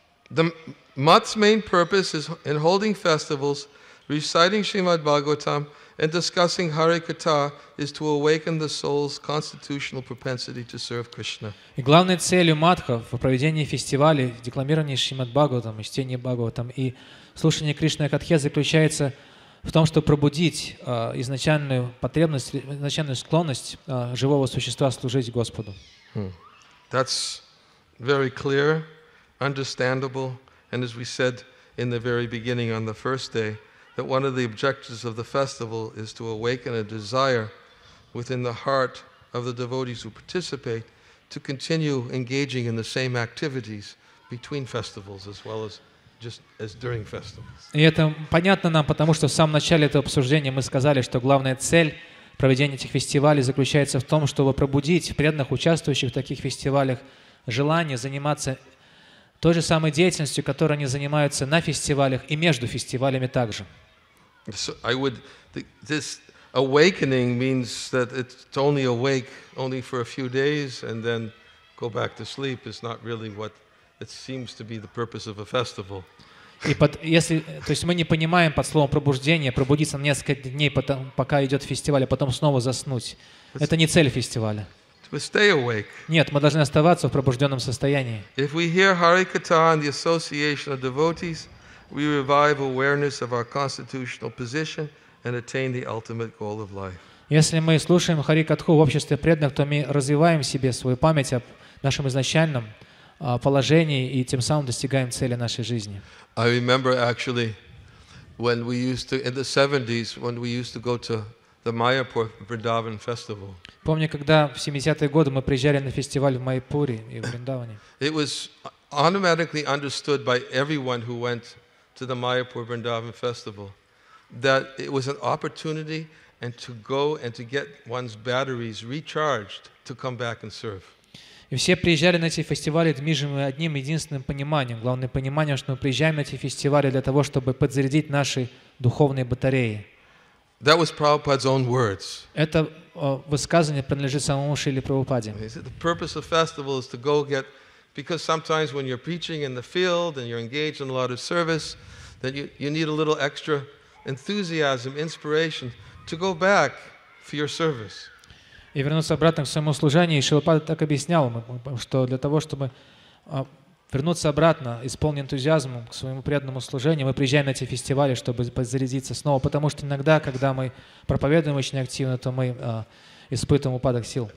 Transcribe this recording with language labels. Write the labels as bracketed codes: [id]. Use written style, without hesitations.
[en] The Mutt's main purpose is in holding festivals, reciting Srimad Bhagavatam, and discussing Hare Katha is to awaken the soul's constitutional propensity to serve Krishna. [ru] И главной целью Матха в проведении фестивалей, декламировании Шримад Бхагаватам, чтении Бхагаватам и слушании Кришны Катхе заключается в том, чтобы пробудить изначальную потребность, изначальную склонность живого существа служить Господу. [en] That's very clear, understandable, and as we said in the very beginning on the first day, that one of the objectives of the festival is to awaken a desire within the heart of the devotees who participate to continue engaging in the same activities between festivals as well as just as during festivals. [ru] И это понятно нам, потому что в самом начале этого обсуждения мы сказали, что главная цель проведения этих фестивалей заключается в том, чтобы пробудить преданных, участвующих в таких фестивалях, желание заниматься той же самой деятельностью, которой они занимаются на фестивалях и между фестивалями также. [en] So I would, this awakening means that it's only awake only for a few days and then go back to sleep. It's not really what it seems to be the purpose of a festival. [ru] И под, если, то есть мы не понимаем под словом пробуждение, пробудиться на несколько дней, потом, пока идет фестиваль, а потом снова заснуть. Это не цель фестиваля. [en] To stay awake. [ru] Нет, мы должны оставаться в пробужденном состоянии. [en] If we hear Hari Katha and the association of devotees, we revive awareness of our constitutional position and attain the ultimate goal of life. [ru] Если мы слушаем Хари Катху в обществе преданных, то мы развиваем в себе свою память о нашем изначальном положении и тем самым достигаем цели нашей жизни. [en] I remember actually when we used to in the 70s when we used to go to the Mayapur Vrindavan festival. [ru] Помню, когда в 70-е годы мы приезжали на фестиваль в Майпуре и в Вриндаване. [en] It was automatically understood by everyone who went to the Mayapur Vrindavan festival that it was an opportunity and to go and to get one's batteries recharged to come back and serve. [ru] И все приезжали на эти фестивали, движимы одним единственным пониманием, главное понимание, что мы приезжаем на эти фестивали для того, чтобы подзарядить наши духовные батареи. [en] That was Prabhupada's own words. [ru] Это высказывание принадлежит самому Шриле Прабхупаде. [en] The purpose of festival is to go get, because sometimes when you're preaching in the field and you're engaged in a lot of service, then you need a little extra enthusiasm, inspiration to go back for your service. [ru] И вернуться обратно к своему служению, Шрила Прабхупада так объяснял, что для того, чтобы вернуться обратно, исполнен энтузиазмом к своему преданному служению. Мы приезжаем на эти фестивали, чтобы подзарядиться снова, потому что иногда, когда мы проповедуем очень активно, то мы испытываем упадок сил.